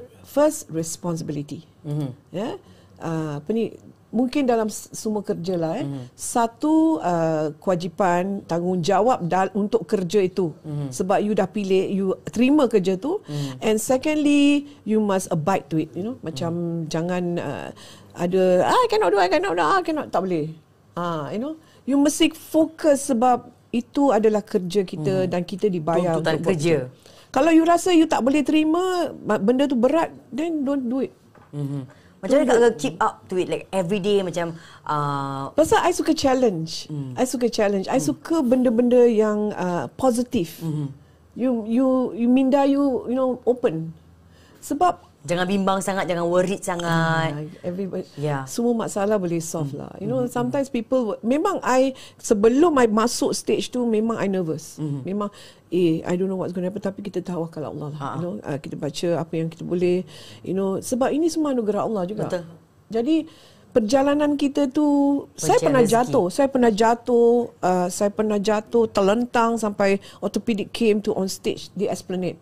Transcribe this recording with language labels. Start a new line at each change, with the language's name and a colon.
Malay: First, responsibility. Apa ni, mungkin dalam semua kerja lah, satu kewajipan, tanggungjawab untuk kerja itu. Sebab you dah pilih, you terima kerja tu.
English: And secondly, you must abide to it. You know,
Malay: macam jangan ada,
English: I cannot do.
Malay: Tak boleh. You know, you mesti fokus sebab itu adalah kerja kita dan kita dibayar untuk kerja. Kalau you rasa you tak boleh terima benda tu berat,
English: then don't do it.
Malay: Macam mana Kak Girl keep up to it, like every day macam pasal I suka challenge. I suka challenge. I suka benda-benda yang positif.
English: You minda you know, open. Sebab
Malay: jangan bimbang sangat, jangan worried sangat. Semua masalah boleh solve lah.
English: You know, sometimes people, memang I, sebelum I masuk stage tu, memang I nervous. Memang, I don't know what's going to happen,
Malay: tapi kita tawakal Allah lah. You know, kita baca apa yang kita boleh. You know, sebab ini semua anugerah Allah juga. Betul. Jadi, perjalanan kita tu, saya pernah jatuh, terlentang sampai orthopedic came to on stage di Esplanade.